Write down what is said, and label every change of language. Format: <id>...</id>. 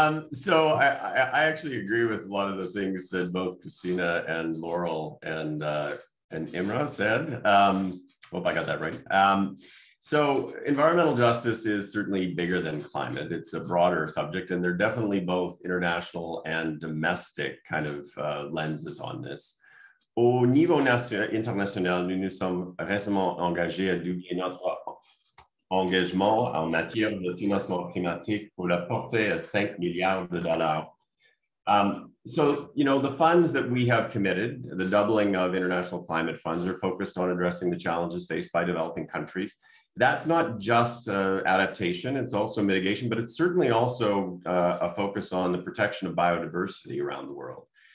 <en>So I actually agree with a lot of the things that both Christina and Laurel and Imra said. Hope I got that right. So environmental justice is certainly bigger than climate. It's a broader subject, and they're definitely both international and domestic kind of lenses on this.</en> <fr>Au niveau international, nous nous sommes récemment engagés à doubler notre engagement en matière de financement climatique pour la porter à 5 milliards de dollars.</fr> <en>So, you know, the funds that we have committed, the doubling of international climate funds, are focused on addressing the challenges faced by developing countries. That's not just adaptation, it's also mitigation, but it's certainly also a focus on the protection of biodiversity around the world.</en>